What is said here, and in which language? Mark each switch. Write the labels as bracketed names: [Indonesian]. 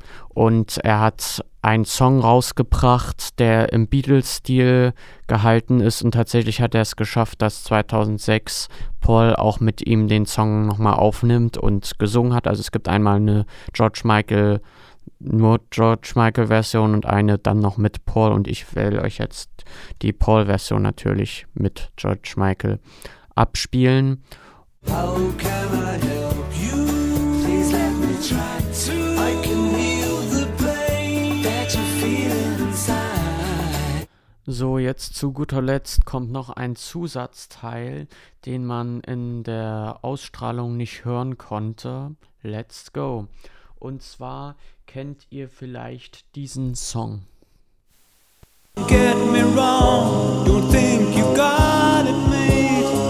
[German] und er hat einen Song rausgebracht, der im Beatles-Stil gehalten ist, und tatsächlich hat er es geschafft, dass 2006 Paul auch mit ihm den Song nochmal aufnimmt und gesungen hat. Also es gibt einmal eine George Michael-Version und eine dann noch mit Paul, und ich will euch jetzt die Paul-Version natürlich mit George Michael abspielen. [English] How can I help you? Please let me try to. I can heal the pain that you feel inside. [German] So, jetzt zu guter Letzt kommt noch ein Zusatzteil, den man in der Ausstrahlung nicht hören konnte. [English] Let's go. [German] Und zwar kennt ihr vielleicht diesen Song. [English] Get me wrong, don't think you got it made.